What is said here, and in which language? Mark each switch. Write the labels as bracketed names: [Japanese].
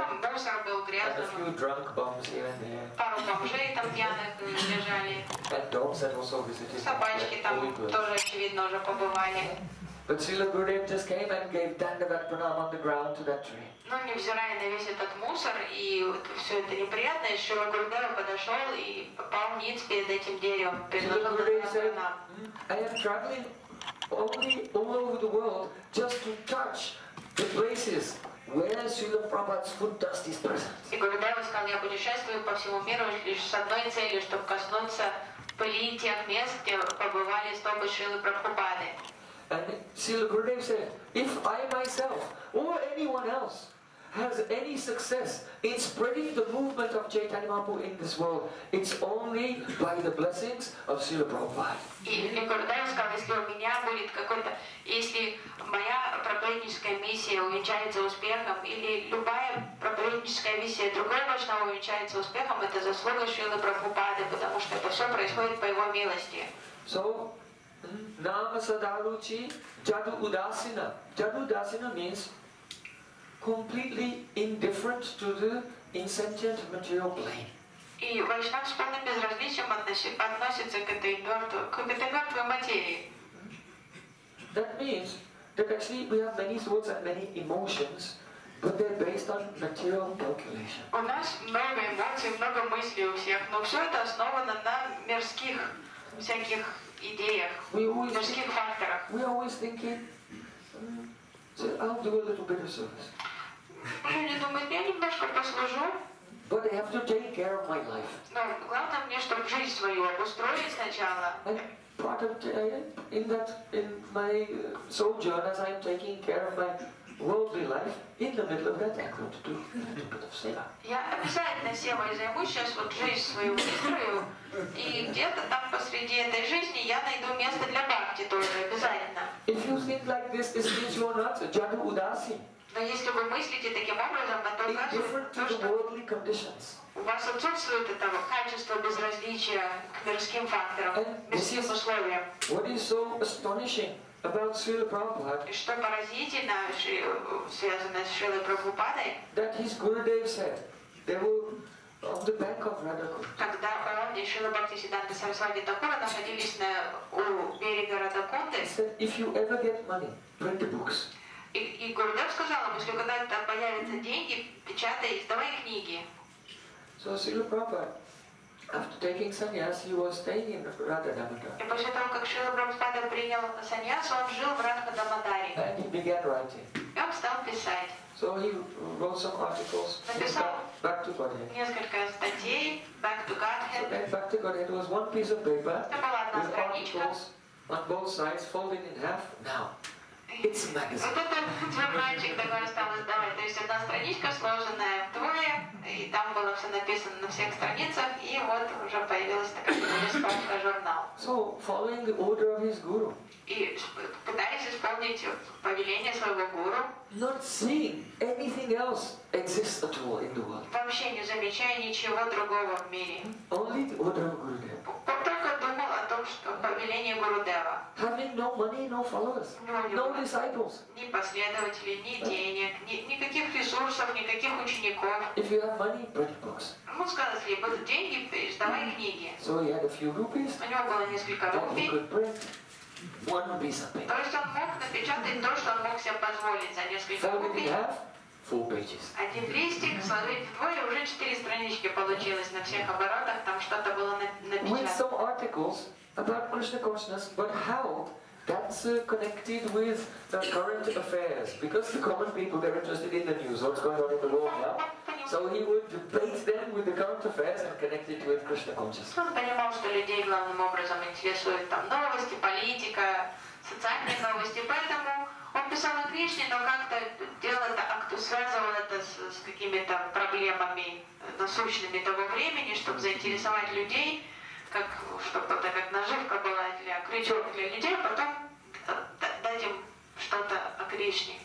[English] And a few drunk bums here and there. And dogs had also visited. [Russian] Собачки там тоже очевидно уже побывали. [English] But Srila Gurudev just came and gave dandavat pranam on the ground to that tree. [Russian] Но невзирая на весь этот мусор и все это неприятное, Шрила Гурудев подошел и пал ниц перед этим деревом. [English] Srila Gurudev said, I am traveling only all over the world just to touch the places. Where Srila Prabhupada's foot dust is present. [Russian] И Гурудев сказал, я путешествую по всему миру лишь с одной целью, чтобы коснуться пыли тех мест, где побывали стопы Шрилы Прабхупады. [English] And Srila Gurudev said, if I myself or anyone else has any success in spreading the movement of Chaitanya Mahaprabhu in this world, it's only by the blessings of Srila Prabhupada. [Russian] И Гурудев сказал, если у меня будет какой-то, если моя проповедническая миссия увенчается успехом, или любая проповедническая миссия другой Вайшнава увенчается успехом, это заслуга Шрилы Прабхупады, потому что это все происходит по его милости. [English] So, Nama Sadaruchi Jadu Udasina. Jadu Udasina means completely indifferent to the insentient material plane. [Russian] И Вайшнав с полным безразличием относится к этой мертвой материи. [English] That means that actually we have many thoughts and many emotions, but they're based on material calculation. [Russian] У нас много эмоций, много мыслей у всех, но все это основано на мирских всяких идеях, мирских факторах. [English] We always thinking, I'll do a little bit of service. [Russian] Люди думают, я немножко послужу. [English] But I have to take care of my life. [Russian] Но главное мне, чтобы жизнь свою обустроить сначала. [English] Part of in my sojourn as I'm taking care of my worldly life, in the middle of that I'm going to do a little bit of seva. [Russian] Я обязательно севой займусь сейчас вот жизнь свою устрою, и где-то там посреди этой жизни я найду место для бхакти тоже обязательно. [English] If you think like this, this means you are not jadu udasi. [Russian] Но если вы мыслите таким образом, то у вас отсутствует этого качества безразличия к мирским факторам, мирским условиям. [English] What is so astonishing about Srila Prabhupada? [Russian] И что поразительно, связанное с Шрилой Прабхупадой? [English] That his Gurudev said, they were on the bank of Radhakund. [Russian] Когда он и Шрила Бхактисиддханта Сарасвати Такура находились на у берега Радхакунды. [English] He said, if you ever get money, print the books. [Russian] И Гурудев сказал ему, если когда-то появятся деньги, печатай, издавай книги. [English] So Srila Prabhupada, after taking sannyas, he was staying in Radha-Damodara. [Russian] И после того, как Шрила Прабхупада принял саньяс, он жил в Радха-Дамодаре. [English] And he began writing. [Russian] И он стал писать. [English] So he wrote some articles. [Russian] Написал [English] back to Godhead. [Russian] Несколько статей, back to Godhead. [English] So back to Godhead was one piece of paper with articles on both sides, folded in half, now. It's a magazine. [Russian] Вот этот твой мальчик такой стал издавать. То есть одна страничка сложенная вдвое, и там было все написано на всех страницах, и вот уже появилась такая бесплатная журнал. [English] So, following the order of his guru. [Russian] И пытаясь исполнить повеление своего гуру. [English] Not seeing anything else exists at all in the world. [Russian] Вообще не замечая ничего другого в мире. [English] Only the order of Gurudev. [Russian] Повеление Гурудева. [English] Having no money, no followers, no disciples. [Russian] Ни последователей, ни денег, никаких ресурсов, никаких учеников. [English] If you have money, print books. [Russian] Ему сказали, будут деньги, издавай книги. [English] So he had a few rupees. [Russian] У него было несколько рупий. [English] One piece of paper. [Russian] То есть он мог напечатать то, что он мог себе позволить за несколько рупий. [English] Four pages. [Russian] Один листик, сложить вдвое, уже четыре странички получилось на всех оборотах, там что-то было напечатано. [English] With some articles about Krishna consciousness, but how that's connected with the current affairs. Because the common people, they're interested in the news, what's going on in the world now. So he would debate them with the current affairs and connect it with Krishna consciousness. [Russian] Он понимал, что людей главным образом интересуют там новости, политика, социальные новости, поэтому он писал о Кришне, но как-то делал это, связывал это с какими-то проблемами насущными того времени, чтобы заинтересовать людей, как чтобы это как наживка была для крючок для людей, а потом дать им что-то о Кришне.